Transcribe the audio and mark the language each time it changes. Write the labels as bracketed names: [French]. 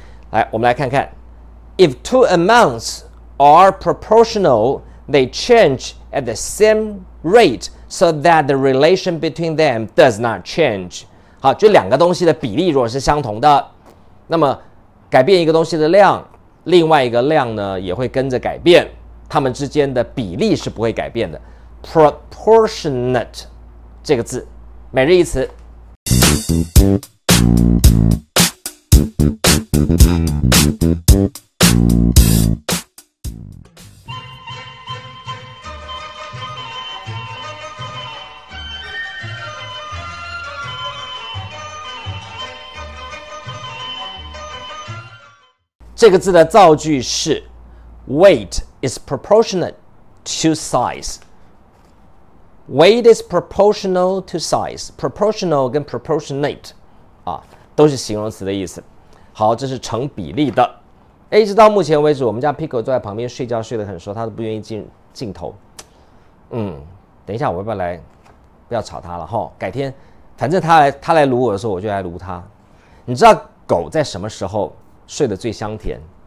[Chinese] 来，我们来看看， [English] If two amounts are proportional, they change at the same rate so that the relation between them does not change。 [Chinese] 好，就两个东西的比例如果是相同的，那么改变一个东西的量，另外一个量呢也会跟着改变，它们之间的比例是不会改变的。 proportionate 这个字，每日一词。这个字的造句是 [English] Weight is proportional to size. Weight is proportional to size. [Chinese] Proportional 跟 proportionate、都是形容词的意思。好，这是成比例的。一直到目前为止，我们家 Pico 坐在旁边睡觉睡得很熟，他都不愿意进镜头。等一下我要不要来，不要吵他了哈。改天反正他来撸我的时候我就来撸他。你知道狗在什么时候睡得最香甜？